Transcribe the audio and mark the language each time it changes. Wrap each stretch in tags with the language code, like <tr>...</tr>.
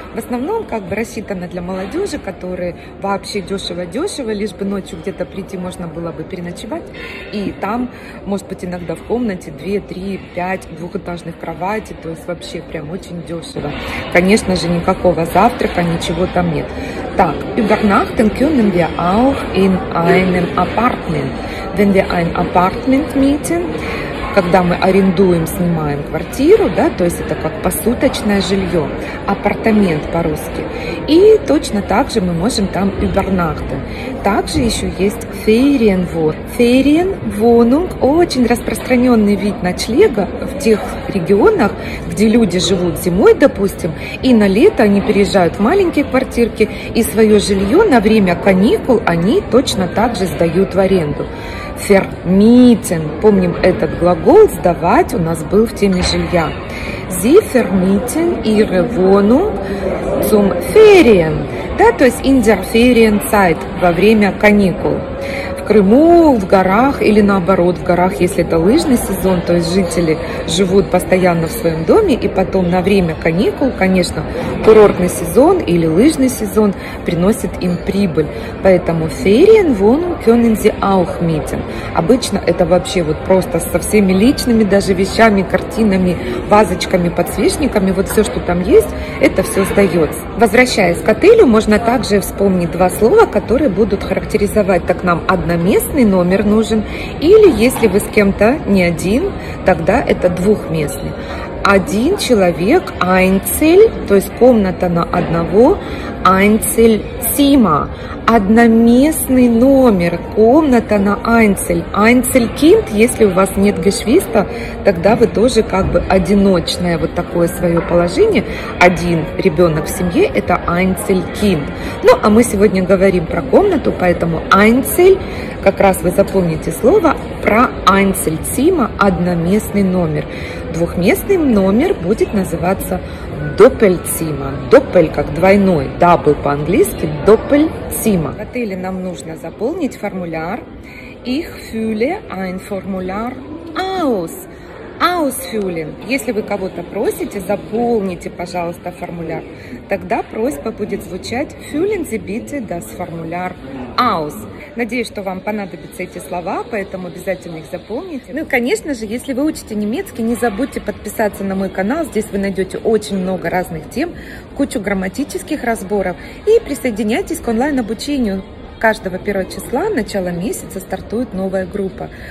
<ru>В основном, как бы рассчитано для молодежи, которые вообще дешево-дешево, лишь бы ночью где-то прийти можно было бы переночевать. И там, может быть, иногда в комнате 2, 3, 5 двухэтажных кровати, то есть вообще прям очень дешево. Конечно же, никакого завтрака, ничего там нет. Так,</ru> <de>übernachten können wir auch in einem Apartment. Wenn wir ein Apartment mieten,</de> <ru>когда мы арендуем, снимаем квартиру, да, то есть это как посуточное жилье, апартамент по-русски. И точно так же мы можем там übernachten. Также еще есть Ferienwohnung, очень распространенный вид ночлега в тех регионах, где люди живут зимой, допустим, и на лето они переезжают в маленькие квартирки, и свое жилье на время каникул они точно так же сдают в аренду.</ru> <de>Vermieten.</de> <ru>Помним, этот глагол «сдавать» у нас был в теме жилья.</ru> <de>Sie vermieten ihre Wohnung zum Ferien.</de> <ru>Да, то есть</ru> <de>in der Ferienzeit,</de> <ru>во время каникул. В Крыму, в горах или наоборот, в горах, если это лыжный сезон, то есть жители живут постоянно в своем доме, и потом на время каникул, конечно, курортный сезон или лыжный сезон приносит им прибыль. Поэтому</ru> <de>Ferienwohnung können Sie auch mieten.</de> <ru>Обычно это вообще вот просто со всеми личными даже вещами, картинами, вазочками, подсвечниками, вот все, что там есть, это все сдается. Возвращаясь к отелю, можно также вспомнить два слова, которые будут характеризовать, так нам одноместный номер нужен, или если вы с кем-то не один, тогда это двухместный. Один человек, einzel, то есть комната на одного, einzelzimmer, одноместный номер, комната на einzel, einzelkind, если у вас нет geschwister, тогда вы тоже как бы одиночное вот такое свое положение, один ребенок в семье, это einzelkind. Ну, а мы сегодня говорим про комнату, поэтому einzel, как раз вы запомните слово, про einzelzimmer, одноместный номер. Двухместный номер будет называться Doppelzimmer. Doppel, как двойной. Дабл по-английски. Doppelzimmer. В отеле нам нужно заполнить формуляр.</ru> <de>Ich fülle ein Formular aus. Ausfüllen.</de> <ru>Если вы кого-то просите, заполните, пожалуйста, формуляр. Тогда просьба будет звучать</ru> <de>Füllen Sie bitte das Formular aus.</de> <ru>Надеюсь, что вам понадобятся эти слова, поэтому обязательно их запомните. Ну и, конечно же, если вы учите немецкий, не забудьте подписаться на мой канал. Здесь вы найдете очень много разных тем, кучу грамматических разборов. И присоединяйтесь к онлайн-обучению. Каждого 1 числа, начало месяца, стартует новая группа.</ru>